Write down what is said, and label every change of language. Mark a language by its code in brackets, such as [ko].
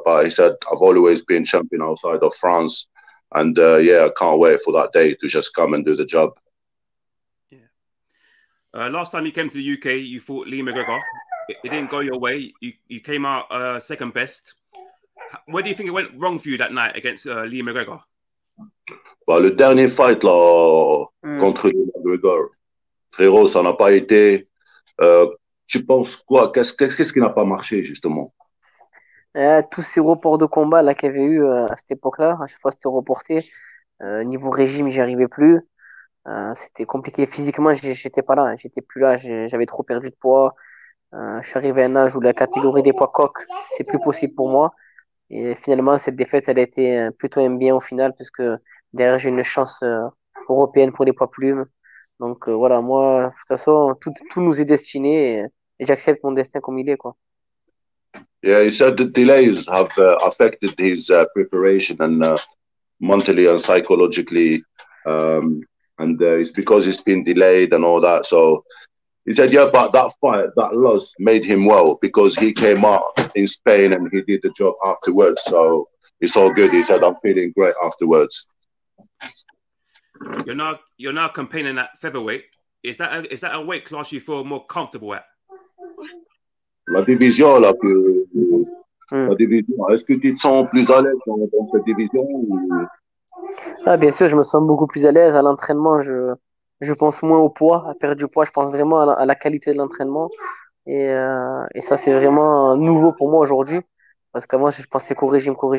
[en] But he said, I've always been champion outside of France. And yeah, I can't wait for that day to just come and do the job. Yeah. Last time you came to the UK, you fought Lee McGregor. It didn't go your way. You came out second best. Where do you think it went wrong for you that night against Lee McGregor? [fr] Bah, le dernier fight là, contre Lee McGregor, frérot, ça n'a pas été. Tu penses quoi? Qu'est-ce qui n'a pas marché justement? Tous ces reports de combat là qu'il y avait eu à cette époque-là, à chaque fois c'était reporté. Niveau régime, j'y arrivais plus. C'était compliqué physiquement, j'étais pas là, j'étais plus là, j'avais trop perdu de poids. Je suis arrivé à un âge où la catégorie des poids coq, c'est plus possible pour moi. Et finalement, cette défaite, elle a été plutôt un bien au final, parce que derrière, j'ai une chance européenne pour les poids-plumes. Donc voilà, moi, de toute façon, tout nous est destiné et j'accepte mon destin comme il est, quoi. [en] Yeah, he said the delays have affected his preparation and mentally and psychologically. It's because it's been delayed and all that. So he said, yeah, but that fight, that loss made him well because he came out in Spain and he did the job afterwards. So it's all good. He said, I'm feeling great afterwards. You're now campaigning at featherweight. Is that a weight class you feel more comfortable at? [fr] La division la plus la division. Est-ce que tu te sens plus à l'aise dans cette division ou... Ah bien sûr, je me sens beaucoup plus à l'aise à l'entraînement. Je pense moins au poids, à perdre du poids. Je pense vraiment à la qualité de l'entraînement. Et ça c'est vraiment nouveau pour moi aujourd'hui parce qu'avant je pensais qu'au régime.